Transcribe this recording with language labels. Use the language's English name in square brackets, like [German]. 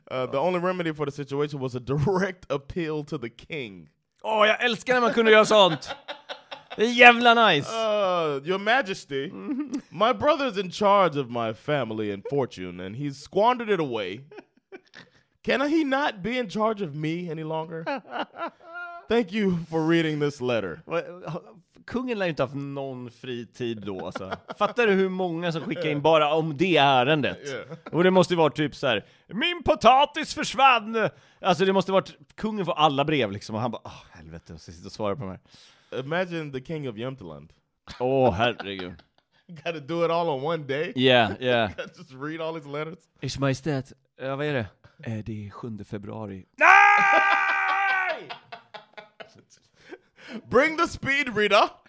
[English] The only remedy for the situation was a direct appeal to the king. [Swedish] Åh, jag älskar när man kunde göra sånt. Det är jävla nice. [English] Your majesty, my brother's in charge of my family and fortune, and he's squandered it away. Can he not be in charge of me any longer? Thank you for reading this letter. [Swedish] Kungen lär inte haft någon fritid då. Alltså. Fattar du hur många som skickar in bara om det ärendet? [English] Yeah. [Swedish] Och det måste ju vara typ så här, min potatis försvann! Alltså det måste vara kungen får alla brev liksom. Och han bara, åh, helvete, jag ska sitta och svara på mig. [English] Imagine the king of Jämtland. [Swedish] Åh, herregud. [English] Gotta do it all on one day. Yeah, yeah. Just read all his letters. [Swedish] Ers majestät, vad är det? Det är 7 februari. Nej! [English] Bring the speed reader.